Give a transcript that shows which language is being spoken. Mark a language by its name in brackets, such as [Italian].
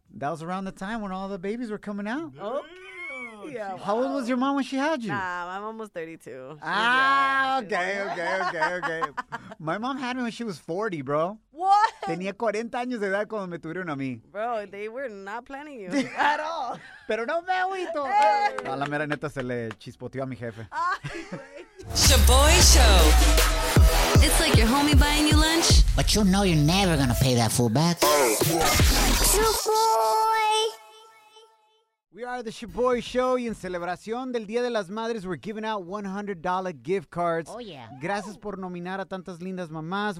[English] That was around the time when all the babies were coming out. Okay. Yeah, how old was your mom when she had you? My mom was 32. Okay. My mom had me when she was 40, bro. What? [Spanish] Tenía 40 años de edad cuando me tuvieron a mí. [English] Bro, they were not planning you at all. [Spanish] Pero no me agüito. A la mera neta se le chispoteó a mi jefe. [English] Shaboy Show. It's like your homie buying you lunch. But you know you're never gonna pay that fool back. Shaboy! We are the Shaboy Show, [Spanish] y en celebración del Día de las Madres, [English] we're giving out $100 gift cards. Oh, yeah. [Spanish] Gracias por nominar a tantas lindas mamás.